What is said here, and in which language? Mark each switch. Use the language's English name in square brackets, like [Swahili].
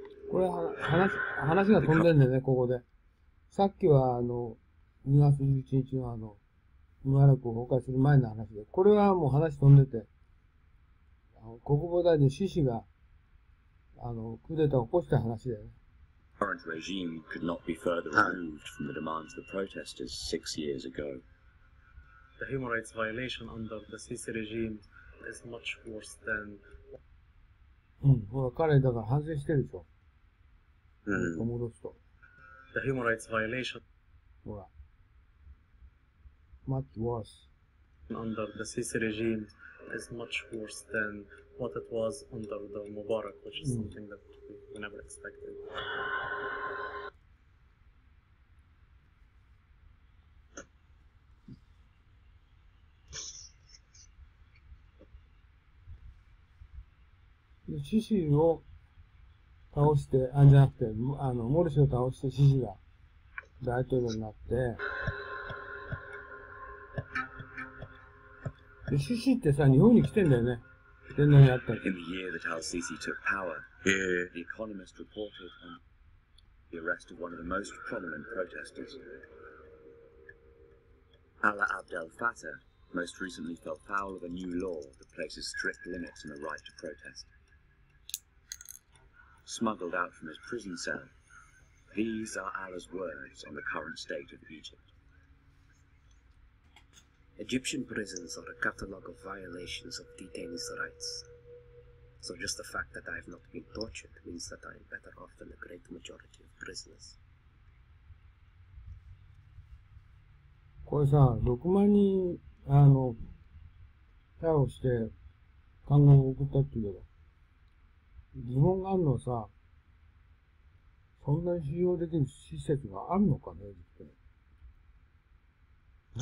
[Japanese] これは話が飛んでんだよね、ここで。さっきは2月11日のムバラクを崩壊する前の話で、これはもう話飛んでて、国防大臣シシがクーデターを起こした話だよね。 [English] Current regime could not be further removed from the demands of the protesters 6 years ago. The human rights violation under the Sisi regime is much worse than. [Japanese] うん、ほら彼だから反省してるでしょ。戻すと。 [English] The human rights violation. [Japanese] ほら。 [English] Much worse. Under the Sisi regime is much worse than what it was under the Mubarak, which is something that we never expected. [Japanese] Sisi を倒して、あ、じゃなくて、モルシを倒してシシが大統領になって、で、シシってさ、日本に来てんだよね。で、何やったの [English] ?In the year that al-Sisi took power, the Economist reported on the arrest of one of the most prominent protesters. Ala Abd al-Fattah most recently fell foul of a new law that places strict limits on the right to protest. Smuggled out from his prison cell. These are Allah's words on the current state of Egypt. Egyptian prisons are a catalogue of violations of detainees' rights. So just the fact that I have not been tortured means that I am better off than the great majority of prisoners. [Japanese] これさ、6万人、逮捕して、監獄を送ったっていうけど、疑問があるのさ、そんなに収容できる施設があるのかね、実際。